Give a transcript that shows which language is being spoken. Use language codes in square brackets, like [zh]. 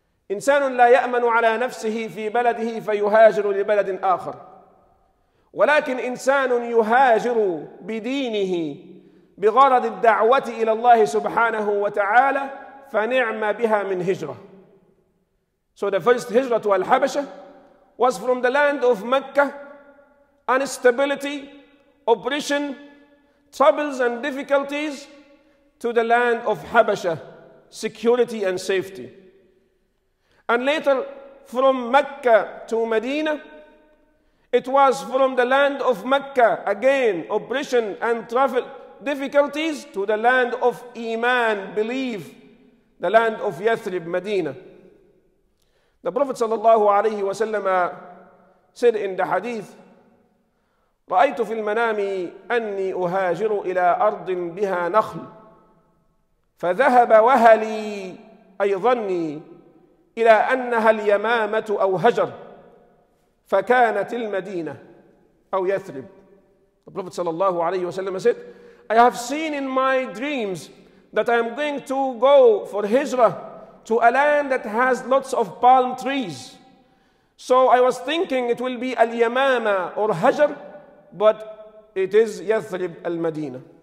[ar] إنسان لا يأمن على نفسه في بلده فيهاجر لبلد آخر، ولكن إنسان يهاجر بدينه بغرض الدعوة إلى الله سبحانه وتعالى فنعم بها من هجرة. [en] So the first [ar] هجرة والحبشة [en] was from the land of Mecca. Instability, oppression, troubles and difficulties to the land of Habasha, security and safety. And later from Mecca to Medina, it was from the land of Mecca, again oppression and travel difficulties to the land of Iman, belief, the land of Yathrib, Medina. The Prophet sallallahu alayhi wa sallam said in the hadith, [ar] رأيت في المنام أني أهاجر إلى أرض بها نخل فذهب وهلي أي ظني إلى أنها اليمامة أو هجر فكانت المدينة أو يثرب. [en] The Prophet [ar] صلى الله عليه وسلم [en] said, I have seen in my dreams that I am going to go for hijra to a land that has lots of palm trees. So I was thinking it will be اليمامة or هجر, but it is Yathrib al-Madina.